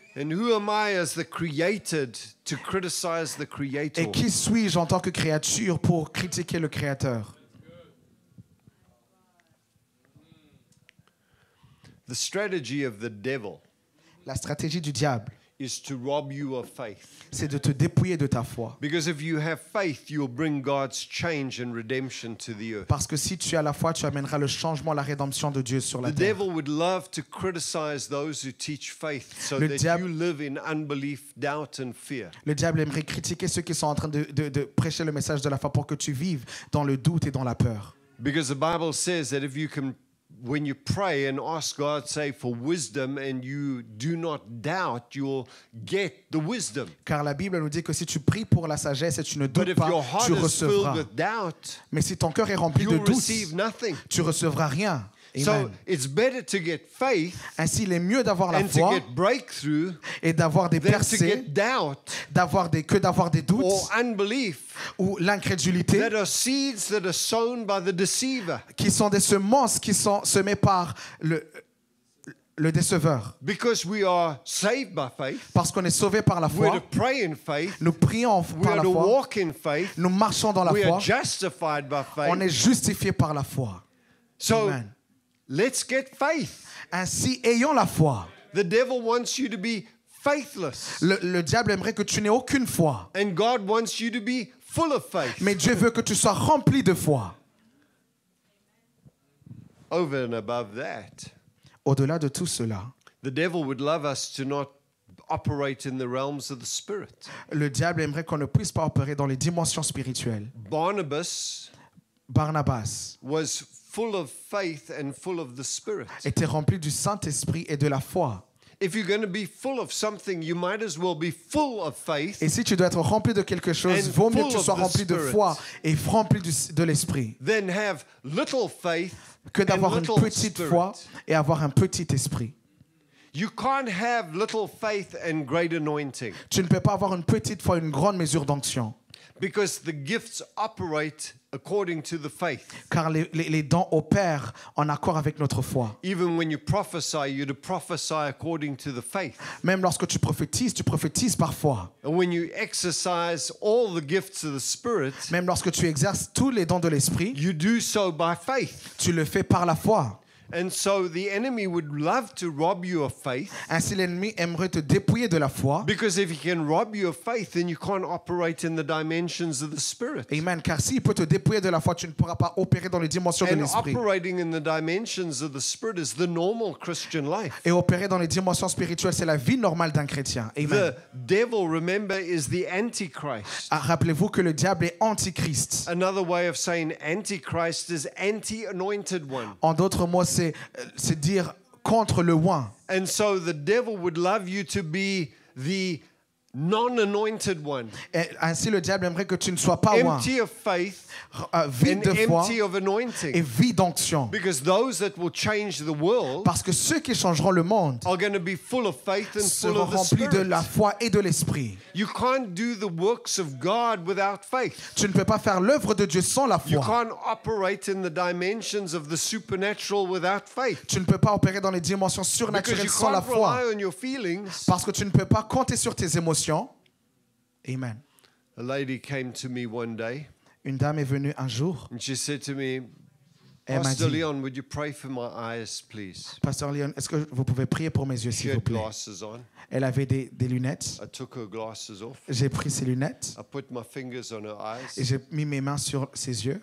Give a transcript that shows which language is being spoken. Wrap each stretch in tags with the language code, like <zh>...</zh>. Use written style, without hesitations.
<en>And who am I as the created to criticize the creator?</en> <fr>Et qui suis-je en tant que créature pour critiquer le créateur?</fr> <en>The strategy of the devil,</en> <fr>la stratégie du diable,</fr> <en>is to rob you of faith.</en> <fr>C'est de te dépouiller de ta foi.</fr> <en>Because if you have faith, you'll bring God's change and redemption to the earth.</en> <fr>Parce que si tu as la foi, tu amèneras le changement, la rédemption de Dieu sur la terre.</fr> <en>The devil would love to criticize those who teach faith, so that you live in unbelief, doubt, and fear.</en> <fr>Le diable aimerait critiquer ceux qui sont en train de prêcher le message de la foi pour que tu vives dans le doute et dans la peur.</fr> <en>Because the Bible says that if you can When you pray and ask God, say, for wisdom, and you do not doubt, you'll get the wisdom.</en> <fr>Car la Bible nous dit que si tu pries pour la sagesse et tu ne doutes pas, tu recevras.</fr> <en>Doubt,</en> <fr>Mais si ton cœur est rempli de doutes,</fr> <en>nothing.</en> <fr>Tu recevras rien.</fr> <en>So it's better to get faith</en> <fr>Ainsi, il est mieux d'avoir la foi et d'avoir des percées que d'avoir des doutes</fr> <en>or unbelief</en> <fr>ou l'incrédulité</fr> <en>that are seeds that are sown by the deceiver.</en> <fr>Qui sont des semences qui sont semées par le déceveur.</fr> <en>Because we are saved by faith,</en> <fr>parce qu'on est sauvé par la foi,</fr> <en>we are to pray in faith,</en> <fr>nous prions par</fr> <en>we are</en> <fr>la</fr> <en>to</en> <fr>foi,</fr> <en>walk in faith,</en> <fr>nous marchons dans la</fr> <en>we</en> <fr>foi,</fr> <en>are justified by faith,</en> <fr>on est justifié par la foi.</fr> <en>So,</en> <fr>Amen.</fr> <en>Let's get faith.</en> <fr>Ainsi, ayons la foi.</fr> <en>The devil wants you to be faithless.</en> <fr>Le diable aimerait que tu n'aies aucune foi.</fr> <en>And God wants you to be full of faith.</en> <fr>Mais Dieu veut que tu sois rempli de foi.</fr> <en>Over and above that.</en> <fr>Au-delà de tout cela.</fr> <en>The devil would love us to not operate in the realms of the spirit.</en> <fr>Le diable aimerait qu'on ne puisse pas opérer dans les dimensions spirituelles.</fr> <en>Barnabas was full of faith and full of the spirit.</en> <fr>Était rempli du Saint-Esprit et de la foi.</fr> <en>If you're going to be full of something, you might as well be full of faith.</en> <fr>Et si tu dois être rempli de quelque chose, vaut mieux que tu sois rempli de foi et rempli de l'esprit.</fr> <en>Then have little faith</en> <fr>que d'avoir une petite foi et avoir un petit esprit.</fr> <en>You can't have little faith and great anointing.</en> <fr>Tu ne peux pas avoir une petite foi et une grande mesure d'onction.</fr> <en>Because the gifts operate according to the faith.</en> <fr>Car les dons opèrent en accord avec notre foi.</fr> <en>Even when you prophesy, you prophesy according to the faith.</en> <fr>Même lorsque tu prophétises par foi.</fr> <en>And when you exercise all the gifts of the Spirit,</en> <fr>même lorsque tu exerces tous les dons de l'esprit,</fr> <en>you do so by faith.</en> <fr>Tu le fais par la foi.</fr> <en>And so the enemy would love to rob you of faith.</en> <fr>Ainsi l'ennemi aimerait te dépouiller de la foi.</fr> <en>Because if he can rob you of faith, then you can't operate in the dimensions of the Spirit.</en> <fr>Amen. Car s'il peut te dépouiller de la foi, tu ne pourras pas opérer dans les dimensions</fr> <en>and</en> <fr>de l'esprit.</fr> <en>And operating in the dimensions of the Spirit is the normal Christian life.</en> <fr>Et opérer dans les dimensions spirituelles, c'est la vie normale d'un chrétien. Amen.</fr> <en>The devil, remember, is the Antichrist.</en> <fr>Rappelez-vous que le diable est Antichrist.</fr> <en>Another way of saying Antichrist is anti-anointed one.</en> <fr>En d'autres mots, c'est dire contre le oint.</fr> <en>And so the devil would love you to be the non-anointed one.</en> <fr>Et ainsi le diable aimerait que tu ne sois pas oint.</fr> <en>Empty of faith,</en> <fr>vide de foi,</fr> <en>empty of anointing.</en> <fr>Et vide d'onction.</fr> <en>Because those that will change the world,</en> <fr>parce que ceux qui changeront le monde,</fr> <en>are going to be full of faith and full of the Spirit.</en> <fr>Seront remplis de la foi et de l'esprit.</fr> <en>You can't do the works of God without faith.</en> <fr>Tu ne peux pas faire l'œuvre de Dieu sans la foi.</fr> <en>You can't operate in the dimensions of the supernatural without faith.</en> <fr>Tu ne peux pas opérer dans les dimensions surnaturelles sans la foi.</fr> <en>Because you can't rely on your feelings.</en> <fr>Parce que tu ne peux pas compter sur tes émotions. Amen.</fr> <en>A lady came to me one day.</en> <fr>Une dame est venue un jour.</fr> <en>And she said to me, Pastor Leon, would you pray for my eyes, please?</en> <fr>Pastor Leon, est-ce que vous pouvez prier pour mes yeux, s'il vous plaît?</fr> <en>She had glasses on.</en> <fr>Elle avait des lunettes.</fr> <en>I took her glasses off.</en> <fr>J'ai pris ses lunettes.</fr> <en>I put my fingers on her eyes.</en> <fr>Et j'ai mis mes mains sur ses yeux.</fr>